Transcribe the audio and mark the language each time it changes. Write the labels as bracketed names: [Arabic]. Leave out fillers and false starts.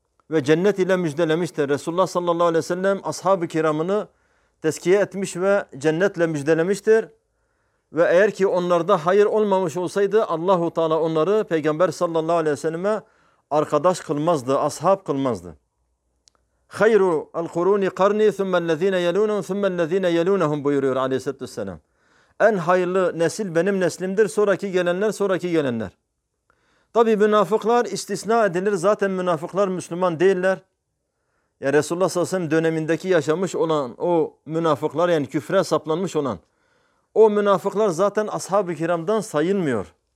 [Turkish] Ve cennet ile müjdelemiştir. Resulullah sallallahu aleyhi ve sellem ashab-ı kiramını tezkiye etmiş ve cennetle müjdelemiştir. Ve eğer ki onlarda hayır olmamış olsaydı Allah-u Teala onları Peygamber sallallahu aleyhi ve selleme arkadaş kılmazdı, ashab kılmazdı. [Arabic] خَيْرُ الْقُرُونِ قَرْنِي ثُمَّ الَّذ۪ينَ يَلُونَهُمْ ثُمَّ الَّذ۪ينَ يَلُونَهُمْ [Turkish] buyuruyor aleyhissalatü vesselam. En hayırlı nesil benim neslimdir. Sonraki gelenler, sonraki gelenler. Tabii münafıklar istisna edilir. Zaten münafıklar Müslüman değiller. Yani Resulullah sallallahu aleyhi ve sellem dönemindeki yaşamış olan o münafıklar yani küfre saplanmış olan o münafıklar zaten ashab-ı kiramdan sayılmıyor.